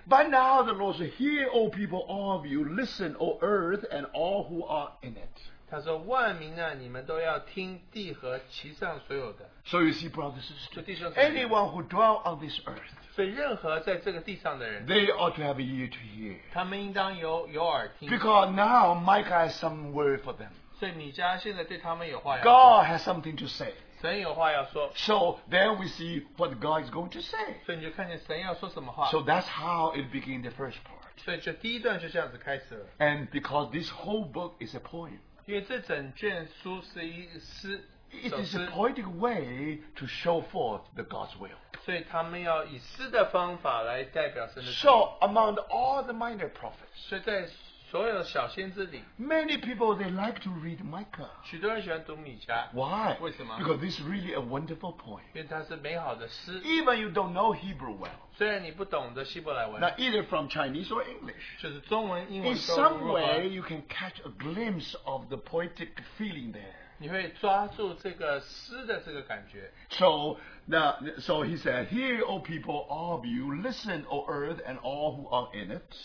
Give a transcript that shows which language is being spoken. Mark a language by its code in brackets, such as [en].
[en] But now the Lord says, hear, O people, all of you, listen, O earth, and all who are in it. [zh] 他说万民啊，你们都要听地和其上所有的。 [en] So you see, brothers and sisters, anyone who dwell on this earth, [zh] 所以任何在这个地上的人, [en] they ought to have a ear to hear. [zh] 他们应当有耳听。 [en] Because now Micah has some word for them. [zh] 所以米迦现在对他们有话要说。 [en] God has something to say. [zh] 神有话要说, [en] so then we see what God is going to say. [zh] 所以你就看见神要说什么话, [en] so that's how it began the first part. [zh] 所以就第一段就这样子开始了, [en] and because this whole book is a poem, [zh] 因为这整卷书是一诗, [en] it is a poetic way to show forth the God's will. [zh] 所以他们要以诗的方法来代表神的旨意。 [en] So among all the minor prophets, [zh] 所有小先知里, [en] many people they like to read Micah. [zh] 许多人喜欢读米迦, [en] why? [zh] 为什么? [en] Because this is really a wonderful point. [zh] 因为它是美好的诗, [en] even you don't know Hebrew well. [zh] 虽然你不懂得希伯来文, [en] now either from Chinese or English, [zh] 就是中文英文, [en] in some way you can catch a glimpse of the poetic feeling there. [zh] 你会抓住这个诗的这个感觉。 [en] So he said, hear, O people, all of you, listen, O earth, and all who are in it.